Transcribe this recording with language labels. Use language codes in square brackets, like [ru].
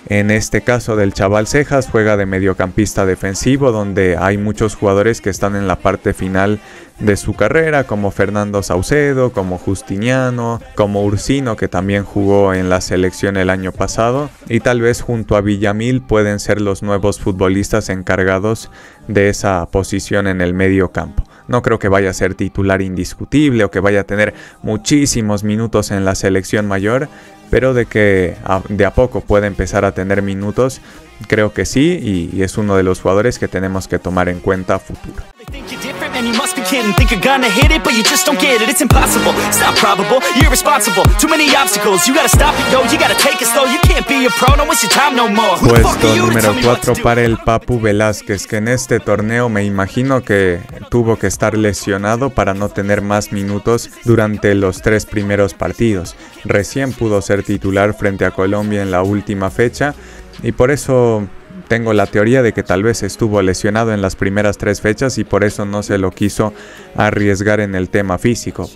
[es] En este caso del chaval Cejas, juega de mediocampista defensivo donde hay muchos jugadores que están en la parte final de su carrera, como Fernando Saucedo, como Justiniano, como Ursino, que también jugó en la selección el año pasado, y tal vez junto a Villamil pueden ser los nuevos futbolistas encargados de esa posición en el medio campo. No creo que vaya a ser titular indiscutible o que vaya a tener muchísimos minutos en la selección mayor, pero de que de a poco puede empezar a tener minutos, creo que sí, y es uno de los jugadores que tenemos que tomar en cuenta a futuro. [en] And you must be kidding, think you're gonna hit it, but you just don't get it. It's impossible, it's not probable, you're irresponsible. Too many obstacles, you gotta stop it, yo. You gotta take it slow, you can't be a pro. No waste your time no more. [es] Puesto número 4 para el Papu Velázquez, que en este torneo me imagino que tuvo que estar lesionado para no tener más minutos durante los 3 primeros partidos. Recién pudo ser titular frente a Colombia en la última fecha, y por eso tengo la teoría de que tal vez estuvo lesionado en las primeras 3 fechas y por eso no se lo quiso arriesgar en el tema físico.